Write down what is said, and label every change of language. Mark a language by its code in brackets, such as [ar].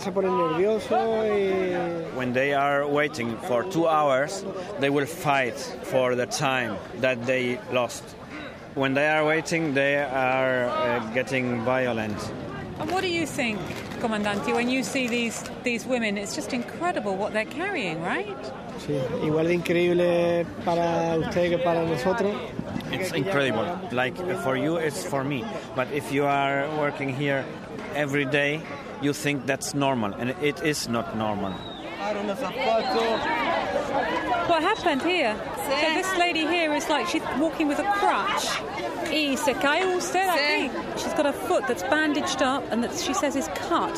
[en] When they are waiting for 2 hours, they will fight for the time that they lost. When they are waiting, they are getting violent. And what do you think, Comandante, when you see these women? It's just incredible what they're carrying, right? [es] Igual de increíble para usted que para nosotros. [en] It's incredible. Like, for you, it's for me. But if you are working here every day, you think that's normal, and it is not normal. What happened here? So this lady here is like she's walking with a crutch. She's got a foot that's bandaged up and that she says is cut.